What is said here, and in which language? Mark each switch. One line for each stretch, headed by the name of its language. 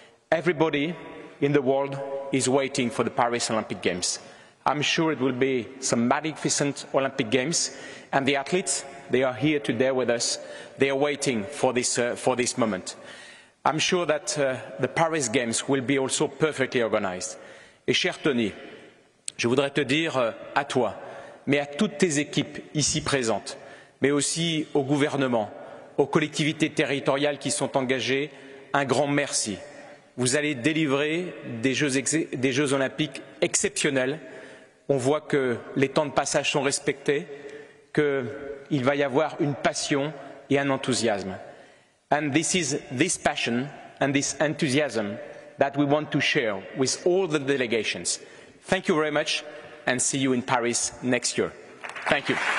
English: Everybody in the world is waiting for the Paris Olympic Games. I'm sure it will be some magnificent Olympic Games, and the athletes, they are here today with us. They are waiting for this moment. I'm sure that the Paris Games will be also perfectly organized.
French: Et cher Tony, je voudrais te dire à toi, mais à toutes tes équipes ici présentes, mais aussi au gouvernement, aux collectivités territoriales qui sont engagées, un grand merci. Vous allez délivrer des Jeux olympiques exceptionnels. On voit que les temps de passage sont respectés, qu'il va y avoir une passion et un enthousiasme.
English: And this is this passion and this enthusiasm that we want to share with all the delegations. Thank you very much. And see you in Paris next year. Thank you.